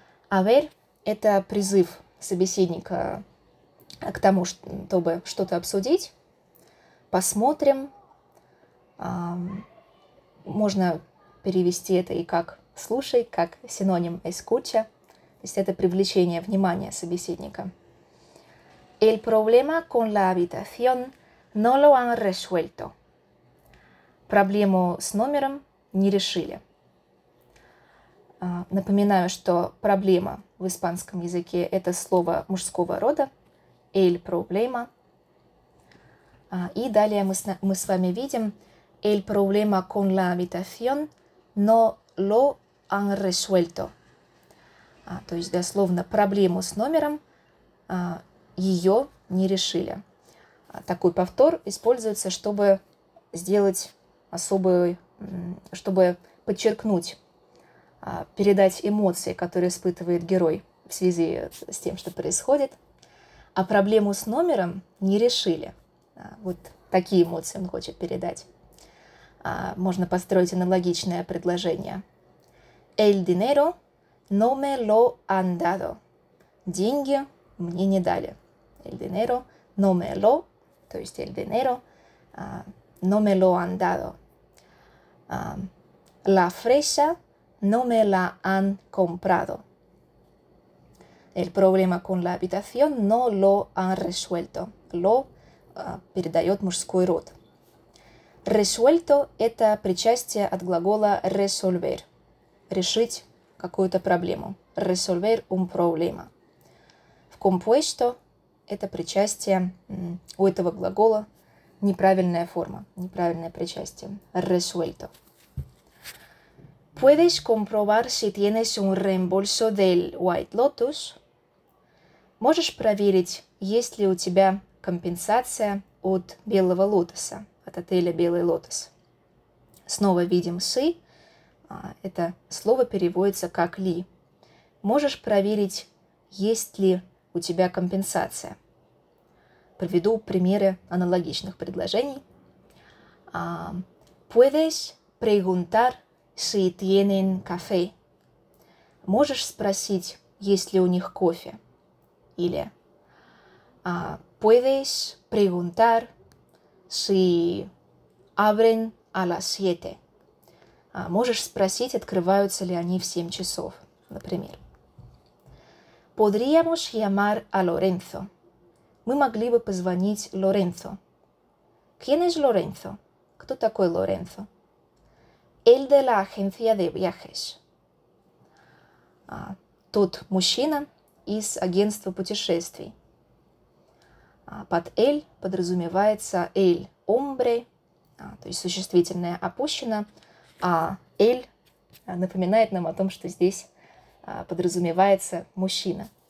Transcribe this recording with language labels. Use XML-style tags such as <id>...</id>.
<es>«A ver»</es> <ru>— это призыв собеседника к тому, чтобы что-то обсудить. «Посмотрим». Можно перевести это и как «слушай», как синоним «escucha». То есть это привлечение внимания собеседника.</ru> <es>«El problema con la habitación no lo han resuelto».</es> <ru>Проблему с номером не решили. Напоминаю, что «проблема» в испанском языке – это слово мужского рода.</ru> <es>«El problema».</es> <ru>И далее мы с вами видим</ru> <es>«El problema con la habitación no lo han resuelto».</es> <ru>То есть, дословно, проблему с номером ее не решили. Такой повтор используется, чтобы сделать особый, чтобы подчеркнуть, передать эмоции, которые испытывает герой в связи с тем, что происходит. А проблему с номером не решили. Вот такие эмоции он хочет передать. Можно построить аналогичное предложение.</ru> <es>El dinero no me lo han dado.</es> <ru>Деньги мне не дали.</ru> <es>El dinero no me lo,</es> <ru>то есть</ru> <es>el dinero, no me lo han dado. La fresa no me la han comprado. El problema con la habitación no lo han resuelto.</es> <ru>Lo передает мужской род. Resuelto – это причастие от глагола resolver. Решить какую-то проблему.</ru> <es>Resolver un problema.</es> <ru>В compuesto это причастие у этого глагола. Неправильная форма, неправильное причастие.</ru> <es>Resuelto. Puedes comprobar si tienes un reembolso del White Lotus.</es> <ru>Можешь проверить, есть ли у тебя компенсация от Белого Лотоса, от отеля Белый Лотос. Снова видим «сы». Это слово переводится как «ли». Можешь проверить, есть ли у тебя компенсация. Приведу примеры аналогичных предложений.</ru> <es>Puedes preguntar si tienen café.</es> <ru>Можешь спросить, есть ли у них кофе. Или</ru> <es>puedes preguntar si abren a las 7.</es> <ru>Можешь спросить, открываются ли они в 7 часов, например.</ru> <es>Podríamos llamar a Lorenzo.</es> <ru>Мы могли бы позвонить Лоренцо.</ru> <es>¿Quién es Lorenzo?</es> <ru>Кто такой Лоренцо?</ru> <es>El de la agencia de viajes.</es> <ru>Тот мужчина из агентства путешествий. Под él подразумевается el hombre, то есть существительное опущено, а «эль» напоминает нам о том, что здесь подразумевается мужчина.</ru>